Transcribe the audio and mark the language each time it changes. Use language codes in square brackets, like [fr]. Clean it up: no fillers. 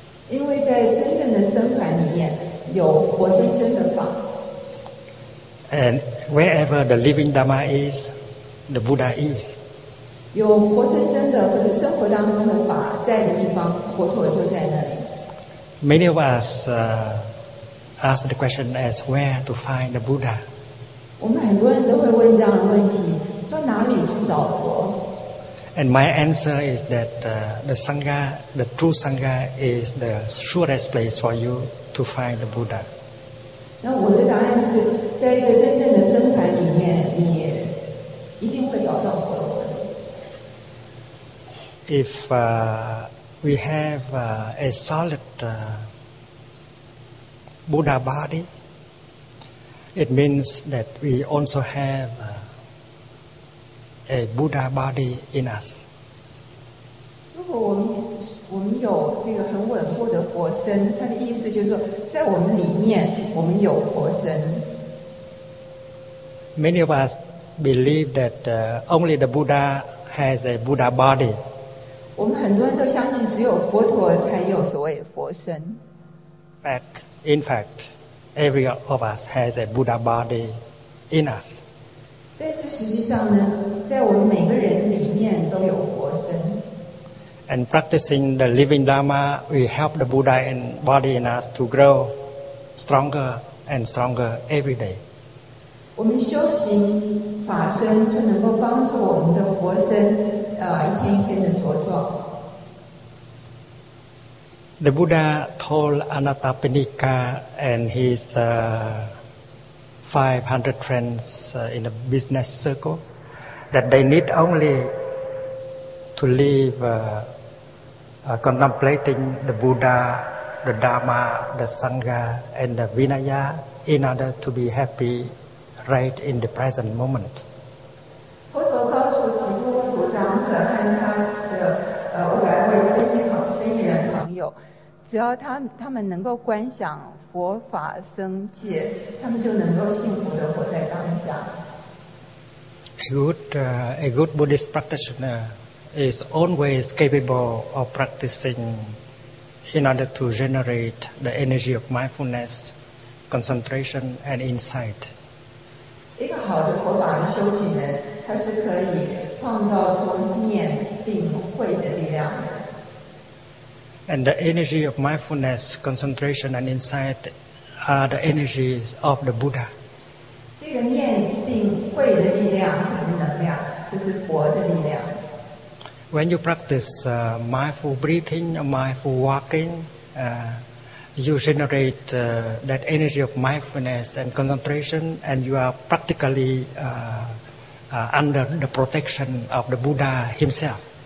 [zh] 因为在真正的僧团里面有活生生的法。 [en] And wherever the living dharma is, the Buddha is. [zh] 有活生生的或者生活当中的法在的地方，佛陀就在那里。 [en] Many of us. Ask the question as where to find the Buddha. [zh] 我们很多人都会问这样的问题，到哪里去找佛？ [en] And my answer is that the Sangha, the true Sangha, is the surest place for you to find the Buddha. [zh] 那我的答案是，在一个真正的僧团里面，你一定会找到佛。 [en] If we have a solid Buddha body, it means that we also have a Buddha body in us. [zh] 如果我们有这个很稳固的佛身，它的意思就是说，在我们里面我们有佛身。 [en] Many of us believe that only the Buddha has a Buddha body. [zh] 我们很多人都相信只有佛陀才有所谓佛身。 [en] In fact, every of us has a Buddha body in us. [zh] 但是实际上呢，在我们每个人里面都有活身。 [en] And practicing the living Dharma, we help the Buddha body in us to grow stronger and stronger every day. [zh] 我们修行法身就能够帮助我们的活身，一天一天的茁壮。 [en] The Buddha told Anattapindika and his 500 friends in a business circle that they need only to live contemplating the Buddha, the Dharma, the Sangha, and the Vinaya in order to be happy right in the present moment. A good Buddhist practitioner is always capable of practicing in order to generate the energy of mindfulness, concentration, and insight. [zh] 一个好的佛法的修行人，他是可以创造出念定慧的力量。 [en] And the energy of mindfulness, concentration, and insight are the energies of the Buddha. [zh] 这个念定慧的力量和能量，就是佛的力量。 [en] When you practice mindful breathing, mindful walking, you generate that energy of mindfulness and concentration, and you are practically under the protection of the Buddha himself.